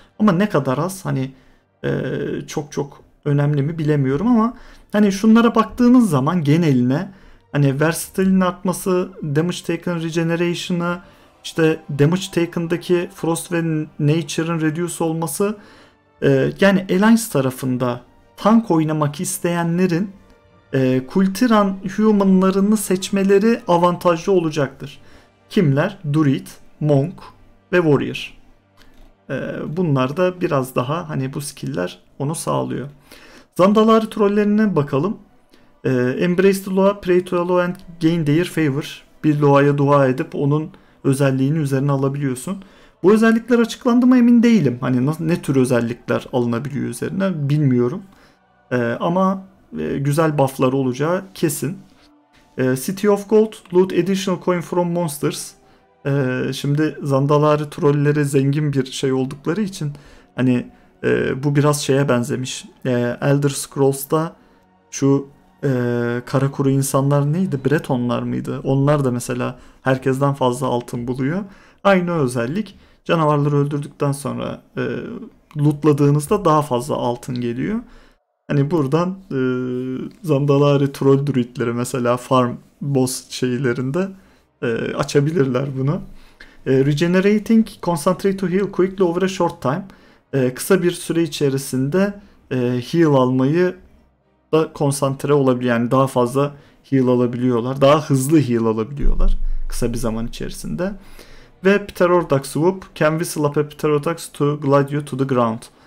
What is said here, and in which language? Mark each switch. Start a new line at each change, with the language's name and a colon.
Turkish: Ama ne kadar az, hani çok çok önemli mi bilemiyorum, ama hani şunlara baktığınız zaman geneline, hani versatility'nin artması, damage taken regeneration'ı, işte damage taken'daki frost ve nature'ın reduce olması, yani Alliance tarafında tank oynamak isteyenlerin Kul'Tiran humanlarını seçmeleri avantajlı olacaktır. Kimler? Druid, Monk ve Warrior. Bunlar da biraz daha hani bu skiller onu sağlıyor. Zandalari trollerine bakalım.
English: Embrace the Loa, pray to a Loa and gain their favor.
Turkish: Bir Loa'ya dua edip onun özelliğini üzerine alabiliyorsun. Bu özellikler açıklandı mı emin değilim. Hani nasıl, ne tür özellikler alınabiliyor üzerine bilmiyorum. Ama güzel buff'lar olacağı kesin.
English: City of Gold, loot additional coin from monsters.
Turkish: Şimdi Zandalari trolleri zengin bir şey oldukları için hani bu biraz şeye benzemiş. Elder Scrolls'ta şu kara kuru insanlar neydi? Bretonlar mıydı? Onlar da mesela herkesten fazla altın buluyor. Aynı özellik. Canavarları öldürdükten sonra lootladığınızda daha fazla altın geliyor. Hani buradan Zandalari troll druidleri mesela farm boss şeylerinde açabilirler bunu.
English: Regenerating, concentrate to heal quickly over a short time.
Turkish: Kısa bir süre içerisinde heal almayı da konsantre olabiliyor. Yani daha fazla heal alabiliyorlar. Daha hızlı heal alabiliyorlar kısa bir zaman içerisinde.
English: Ve Pterodactyl Swoop, can we slap a Pterodactyl to glide you to the ground?